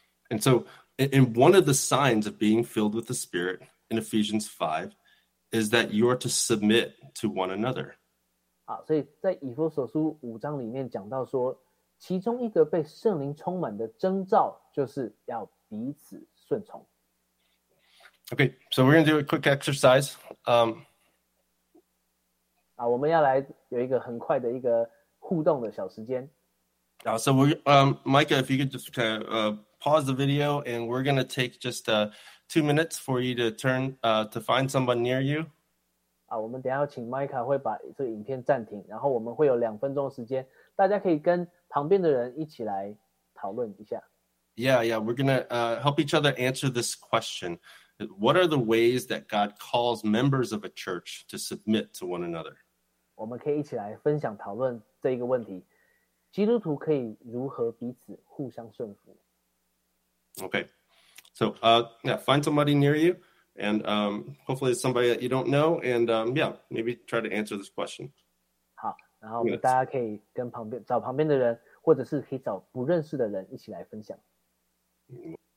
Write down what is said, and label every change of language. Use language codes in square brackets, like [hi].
[en] And so in one of the signs of being filled with the Spirit in Ephesians 5 is that you are to submit to one another. [zh] 好，所以在以弗所书五章里面讲到说其中一个被圣灵充满的征兆就是要彼此顺从。 [en] Okay, so we're going to do a quick exercise. [zh] 我们要来有一个很快的一个互动的小时间。 [en] So we, Micah, if you could just kind of pause the video and we're going to take just 2 minutes for you to turn to find someone near you. [zh] 我们等一下请 Micah 会把这个影片暂停，然后我们会有两分钟的时间，大家可以跟旁边的人一起来讨论一下。 [en] Yeah, we're going to help each other answer this question. What are the ways that God calls members of a church to submit to one another? [zh] 我们可以一起来分享讨论这一个问题，基督徒可以如何彼此互相顺服。 [en] Okay, so find somebody near you, and hopefully it's somebody that you don't know, and maybe try to answer this question. [zh] 好，然后大家可以跟旁边找旁边的人，或者是可以找不认识的人一起来分享。